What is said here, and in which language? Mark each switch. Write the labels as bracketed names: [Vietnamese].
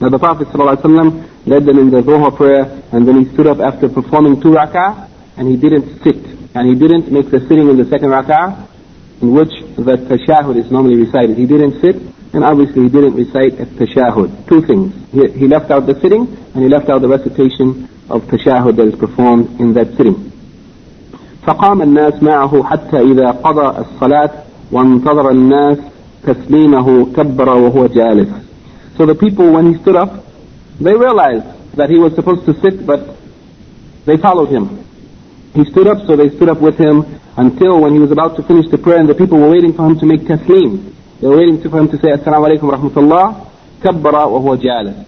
[English] Now the Prophet صلى الله عليه وسلم led them in the Dhuhr prayer, and then he stood up after performing two rak'ah, and he didn't sit, and he didn't make the sitting in the second rak'ah, in which the tashahud is normally recited. He didn't sit, and obviously he didn't recite at tashahud. Two things: he left out the sitting, and he left out the recitation of tashahud that is performed in that sitting. [Arabic] فقام الناس معه حتى إذا قضى الصلاة وانتظر الناس تسليمه كبر وهو جالس. [English] So the people, when he stood up, they realized that he was supposed to sit, but they followed him. He stood up, so they stood up with him until when he was about to finish the prayer, and the people were waiting for him to make taslim. They were waiting for him to say assalamu alaykum wa rahmatullah, [Arabic] كبر وهو جالس.